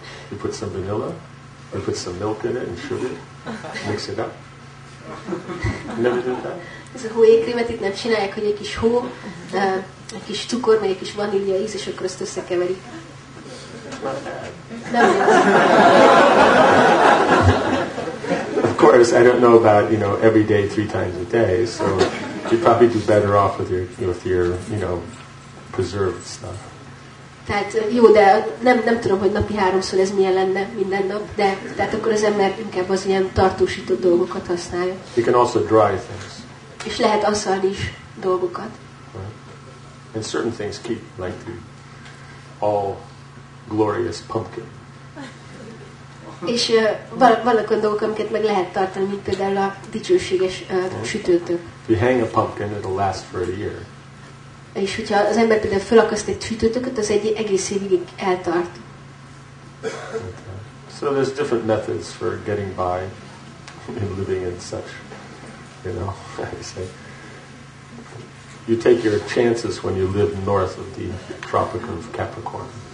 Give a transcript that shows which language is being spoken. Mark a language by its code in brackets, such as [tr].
[en] You put some vanilla, you put some milk in it and sugar, mix it up. Never did that? [hu] Ez a hójékrémet itt nem csinálják, hogy egy kis hó, egy kis cukor, meg egy kis vanília íz, és akkor ezt összekeverik. [en] Not bad. Of course, I don't know about, every day, three times a day, so you'd probably do better off with your preserved stuff. [hu] Tehát jó, de nem tudom, hogy napi háromszor ez milyen lenne minden nap, de tehát akkor az ember inkább az ilyen tartósított dolgokat használja. [en] You can also dry things. [hu] És lehet asszalni is dolgokat. [en] Right. And certain things keep, like the all glorious pumpkin. [hu] És vannak olyan dolgok, amiket meg lehet tartani, mint például a dicsőséges sütőtök. [en] If you hang a pumpkin, it'll last for a year. [hu] És hogyha az ember például felakaszt egy sütőtököt, az egy egész évig eltart. [en] So there's different methods for getting by and living in such, you know, I say. You take your chances when you live north of the Tropic of Capricorn.